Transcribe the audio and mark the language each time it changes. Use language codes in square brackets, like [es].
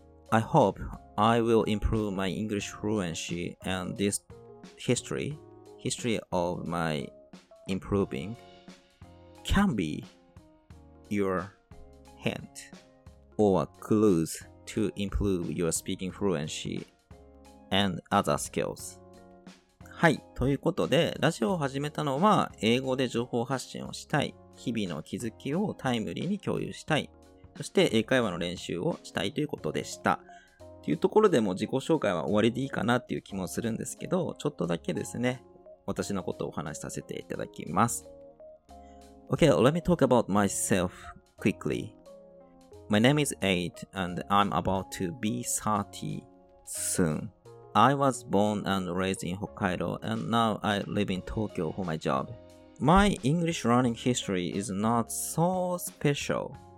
[en] I hope I will improve my English fluency and this history of my improving can be your hint or clues to improve your speaking fluency and other skills. [ja] はい、ということでラジオを始めたのは英語で情報発信をしたい、日々の気づきをタイムリーに共有したい、そして英会話の練習をしたいということでした。というところでも自己紹介は終わりでいいかなっていう気もするんですけど、ちょっとだけですね、私のことをお話しさせていただきます。 [en] Okay, let me talk about myself quickly. My name is Aid and I'm about to be 30 soon. I was born and raised in Hokkaido and now I live in Tokyo for my job. My English learning history is not so special.